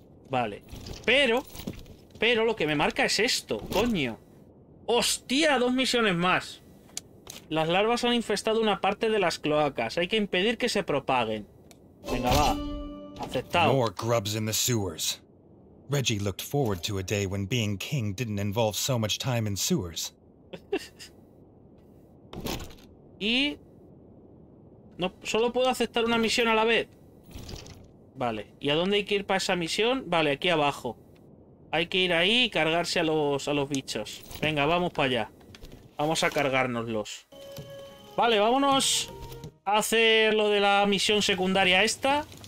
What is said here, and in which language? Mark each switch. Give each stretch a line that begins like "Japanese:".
Spanish: Vale. Pero lo que me marca es esto, coño. ¡Hostia! Dos misiones más. Las larvas han infestado una parte de las cloacas. Hay que impedir que se propaguen. Venga, va. Aceptado.
English: More grubs in the sewers. Reggie looked forward to a day when being king didn't involve so much time in sewers.
Spanish: Y no solo puedo aceptar una misión a la vez. Vale. ¿Y a dónde hay que ir para esa misión? Vale, aquí abajo. Hay que ir ahí y cargarse a los bichos. Venga, vamos para allá. Vamos a cargárnoslos. Vale, vámonos a hacer lo de la misión secundaria esta.